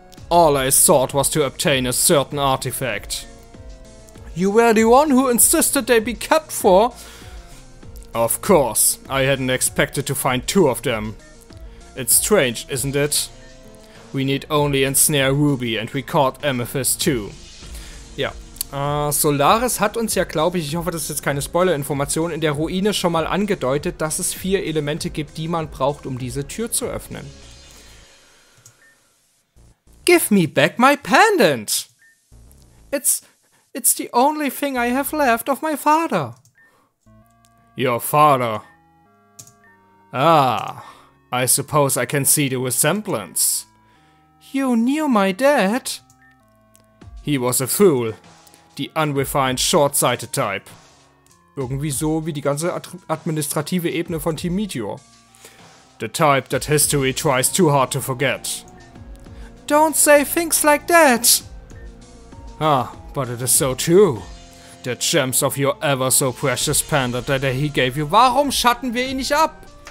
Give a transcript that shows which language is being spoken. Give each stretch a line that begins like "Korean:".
English: All I sought was to obtain a certain artifact. You were the one who insisted they be kept for? Of course, I hadn't expected to find two of them. It's strange, isn't it? We need only ensnare Ruby and we caught Amethyst too.
German: Ja, Solaris hat uns ja, glaube ich, ich hoffe, das ist jetzt keine Spoiler-Information, in der Ruine schon mal angedeutet, dass es vier Elemente gibt, die man braucht, um diese Tür zu öffnen.
English: Give me back my pendant! It's the only thing I have left of my father. Your father? Ah, I suppose I can see the resemblance. You knew my dad? He was a fool. The unrefined, short-sighted type.
German: Irgendwie so wie die ganze administrative Ebene von Team Meteor.
English: The type that history tries too hard to forget. Don't say things like that! Ah, but it is so true. The gems of your ever so precious panda that he gave you.
German: Warum schatten wir ihn nicht ab?